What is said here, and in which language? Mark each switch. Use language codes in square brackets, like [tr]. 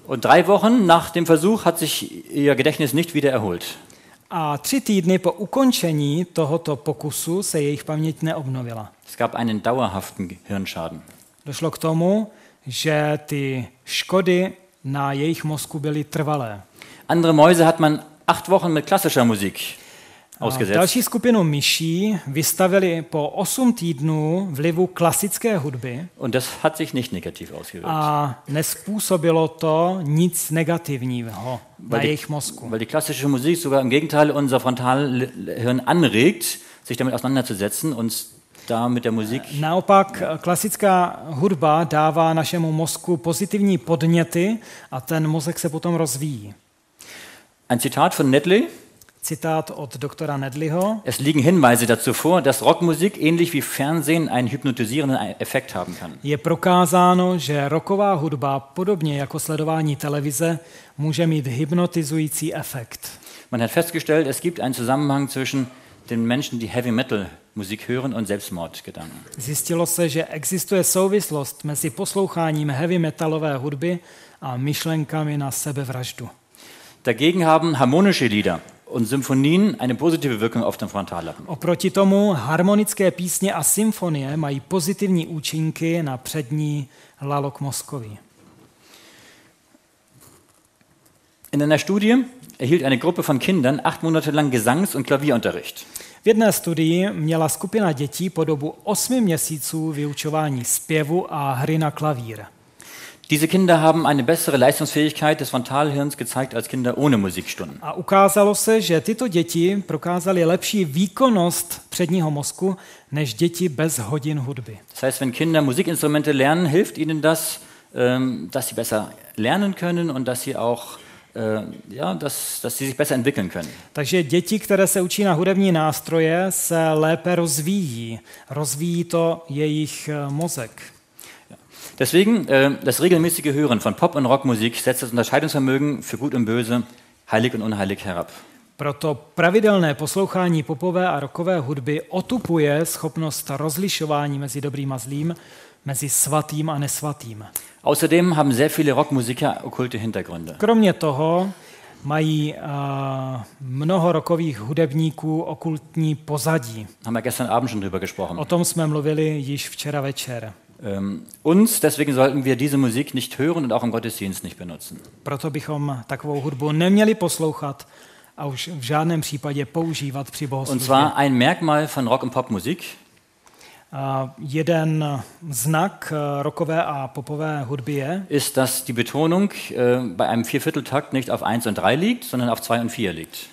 [de] Und 3 Wochen nach dem Versuch hat sich ihr Gedächtnis nicht wieder erholt. [cs] A 3 týdny po ukončení tohoto pokusu se jejich paměť neobnovila. [de] Es gab einen dauerhaften Hirnschaden. [cs] Došlo k tomu, že ty škody na jejich mozku byly trvalé. [de] Andere Mäuse hat man 8 Wochen mit klassischer Musik ausgesetzt. [cs] Další skupinu myší vystavili po 8 týdnů vlivu klasické hudby. [de] Und das hat sich nicht negativ ausgewirkt. [cs] A nezpůsobilo to nic negativního na jejich mozku. [de] Weil die klassische Musik sogar im Gegenteil unser Frontalhirn anregt, sich damit auseinanderzusetzen und da mit der Musik. [cs] Naopak klasická hudba dává našemu mozku pozitivní podněty a ten mozek se potom rozvíjí. [de] Ein Zitat von Nedley. [cs] Zitat od doktora Nedleyho. [de] Es liegen Hinweise dazu vor, dass Rockmusik ähnlich wie Fernsehen einen hypnotisierenden Effekt haben kann. [cs] Je prokázáno, že rocková hudba podobně jako sledování televize může mít hypnotizující efekt. [de] Man hat festgestellt, es gibt einen Zusammenhang zwischen den Menschen, die Heavy Metal Musik hören und Selbstmordgedanken. [cs] Zjistilo se, že existuje souvislost mezi posloucháním heavy metalové hudby a myšlenkami na sebevraždu. [de] Dagegen haben harmonische Lieder und Symphonien eine positive Wirkung auf den Frontallappen. [cs] Oproti tomu harmonické písně a symfonie mají pozitivní účinky na přední lalok mozkový. [de] In einer Studie erhielt eine Gruppe von Kindern 8 Monate lang Gesangs- und Klavierunterricht. [cs] V jedné studii měla skupina dětí po dobu 8 měsíců vyučování zpěvu a hry na klavír. [de] Diese Kinder haben eine bessere Leistungsfähigkeit des Frontalhirns gezeigt als Kinder ohne Musikstunden. [cs] A ukázalo se, že tyto děti prokázaly lepší výkonnost předního mozku než děti bez hodin hudby. [de] Das heißt, wenn Kinder Musikinstrumente lernen, hilft ihnen das, dass sie besser lernen können und dass sie auch dass sie sich besser entwickeln können. [cs] Takže děti, které se učí na hudební nástroje, se lépe rozvíjí. Rozvíjí to jejich mozek. [de] Deswegen das regelmäßige Hören von Pop- und Rockmusik setzt das Unterscheidungsvermögen für gut und böse, heilig und unheilig herab. [cs] Proto pravidelné poslouchání popové a rockové hudby otupuje schopnost rozlišování mezi dobrým a zlým, mezi svatým a nesvatým. [de] Außerdem haben sehr viele Rockmusiker okkulte Hintergründe. [cs] Kromě toho mají mnoho rockových hudebníků okultní pozadí. [de] Haben wir gestern Abend schon drüber gesprochen. [cs] O tom jsme mluvili již včera večer. [de] Uns deswegen sollten wir diese Musik nicht hören und auch im Gottesdienst nicht benutzen. [cs] Proto bychom takovou hudbu neměli poslouchat a už v žádném případě používat při bohoslužbě. [de] Und zwar ein Merkmal von Rock- und Popmusik. [cs] Jeden znak rockové a popové hudby je, [de] ist, dass die Betonung bei einem Viervierteltakt nicht auf 1 und 3 liegt, sondern auf 2 und 4 liegt.